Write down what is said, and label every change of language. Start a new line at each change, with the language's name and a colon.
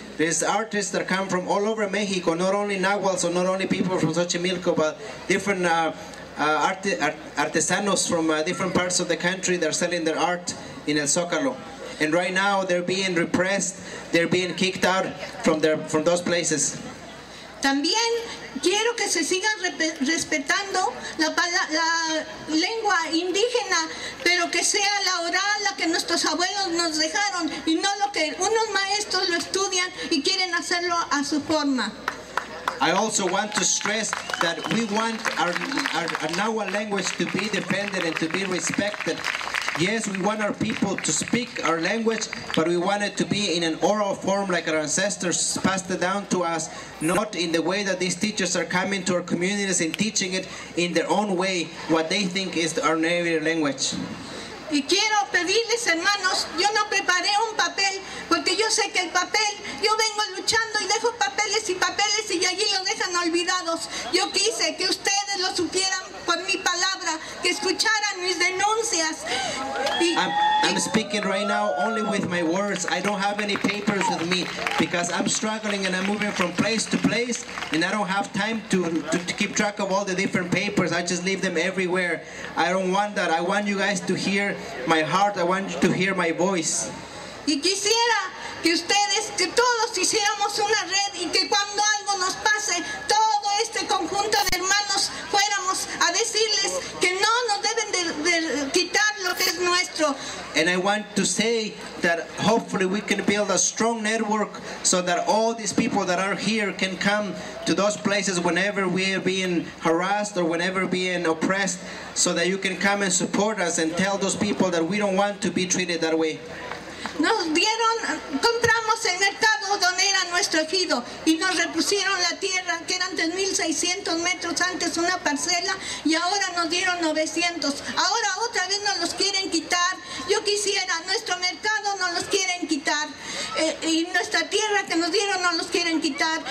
English: There's artists that come from all over Mexico, not only Nahuals or not only people from Xochimilco, but different artesanos from different parts of the country that are selling their art in El Zócalo. And right now they're being repressed, they're being kicked out from those places.
Spanish: También quiero que se siga respetando la lengua indígena, pero que sea la oral la que nuestros abuelos nos dejaron y no lo que unos maestros lo estudian y quieren hacerlo a su forma.
English: I also want to stress that we want our Nahuatl language to be defended and to be respected. Yes, we want our people to speak our language, but we want it to be in an oral form like our ancestors passed it down to us, not in the way that these teachers are coming to our communities and teaching it in their own way, what they think is our native language.
Spanish: Y quiero pedirles, hermanos, yo no preparé un papel, porque yo sé que el papel, yo vengo luchando y dejo papeles y papeles y allí lo dejan olvidados. Yo quise que ustedes lo supieran por mi palabra, que escucharan mis denuncias.
English: I'm speaking right now only with my words. I don't have any papers with me because I'm struggling and I'm moving from place to place and I don't have time to keep track of all the different papers. I just leave them everywhere. I don't want that. I want you guys to hear my heart. I want you to hear my voice.
Spanish: Y quisiera que ustedes, que todos hiciéramos una red y que cuando algo nos pase, todo este conjunto de hermanos fuéramos a decirles que no nos deben de quitar lo que es nuestro.
English: And I want to say that hopefully we can build a strong network so that all these people that are here can come to those places whenever we are being harassed or whenever being oppressed, so that you can come and support us and tell those people that we don't want to be treated that way.
Spanish: Nos dieron, compramos el mercado donde era nuestro ejido y nos repusieron la tierra que eran 3,600 metros antes una parcela y ahora nos dieron 900. Ahora otra vez nos los quieren quitar. Yo quisiera, nuestro mercado nos los quieren quitar y nuestra tierra que nos dieron nos los quieren quitar.